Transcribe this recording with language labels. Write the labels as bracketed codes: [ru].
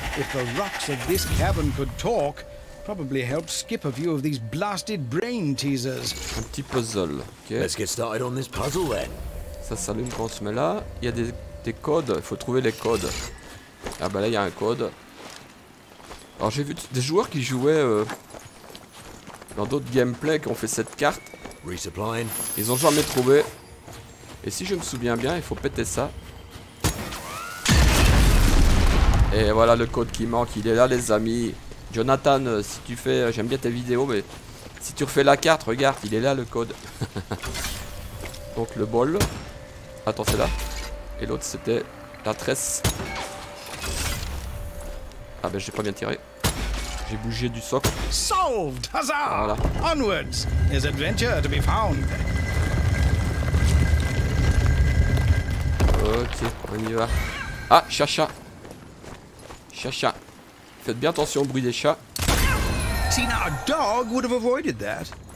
[en] If the rocks of this cavern could talk, probably help skip a few of these blasted brain teasers. [fr] Un petit puzzle. Okay. [en] Let's get started on this puzzle then. [fr] Ça s'allume quand on se met là. Il y a des codes. Il faut trouver les codes. Ah bah là il y a un code. Alors j'ai vu des joueurs qui jouaient dans d'autres gameplay qui ont fait cette carte. Ils ont jamais trouvé. Et si je me souviens bien, il faut péter ça. Et voilà le code qui manque. Il est là, les amis. Jonathan, si tu fais. J'aime bien tes vidéos, mais. Si tu refais la carte, regarde, il est là le code. Donc le bol. Attends, c'est là. Et l'autre, c'était la tresse. Ah, ben j'ai pas bien tiré. J'ai bougé du socle. [en] Solved, huzzah! Voilà. Onwards, there's adventure to be found. [fr] Ok, on y va. Ah, chacha. Faites bien attention au bruit des chats. [en] See, now a dog would have avoided that.